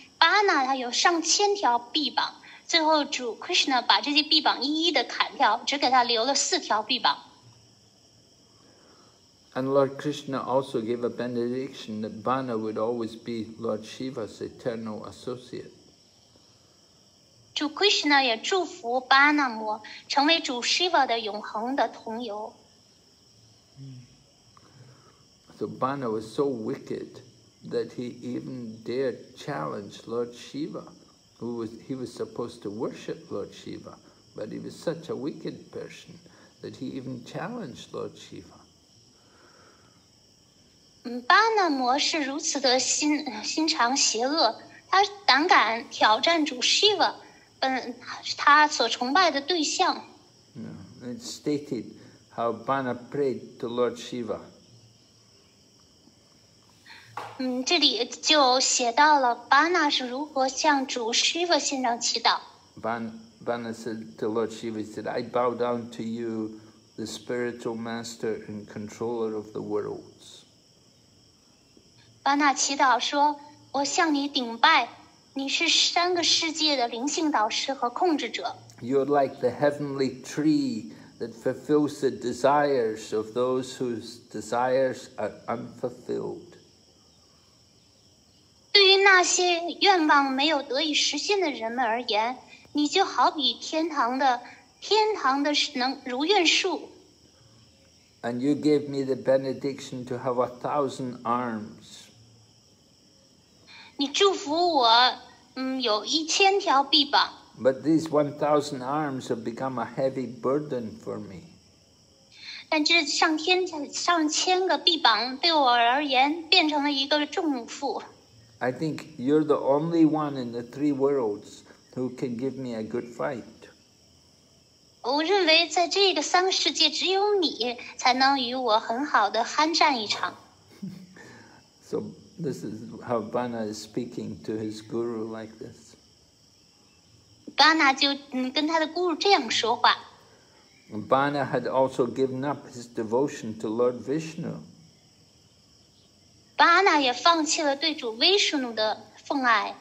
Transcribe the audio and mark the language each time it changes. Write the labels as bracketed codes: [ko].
[zh] 巴那他有上千条臂膀，最后主 Krishna 把这些臂膀一一的砍掉，只给他留了四条臂膀。 [en] And Lord Krishna also gave a benediction that Bana would always be Lord Shiva's eternal associate. [zh] 主 Krishna 也祝福巴那摩成为主 Shiva 的永恒的同游。 [en] So Bana was so wicked that he even dared challenge Lord Shiva, who was, he was supposed to worship Lord Shiva, but he was such a wicked person that he even challenged Lord Shiva. [zh] 巴那摩是如此的 心肠邪恶，他胆敢挑战主 Shiva， 他所崇拜的对象。 [en] It stated how Bana prayed to Lord Shiva. [zh] 这里就写到了巴那是如何向主 Shiva 先生祈祷。 [en] Bana said to Lord Shiva, he said, I bow down to you, the spiritual master and controller of the worlds. [zh] 巴那祈祷说，我向你顶拜，你是三个世界的灵性导师和控制者。 [en] You're like the heavenly tree that fulfills the desires of those whose desires are unfulfilled. [zh] 对于那些愿望没有得以实现的人们而言，你就好比天堂的能如愿树。 [en] And you gave me the benediction to have 1,000 arms. [zh] 你祝福我，有一千条臂膀。 [en] But these 1,000 arms have become a heavy burden for me. [zh] 但这上千个臂膀对我而言变成了一个重负。 [en] I think you're the only one in the three worlds who can give me a good fight. [zh] 我认为在这个三个世界，只有你才能与我很好的酣战一场。 [en] So. This is how Bana is speaking to his guru like this. [zh] Bana 就跟他的 guru 这样说话。 [en] Bana had also given up his devotion to Lord Vishnu. [zh] Bana 也放弃了对主 Vishnu 的奉爱。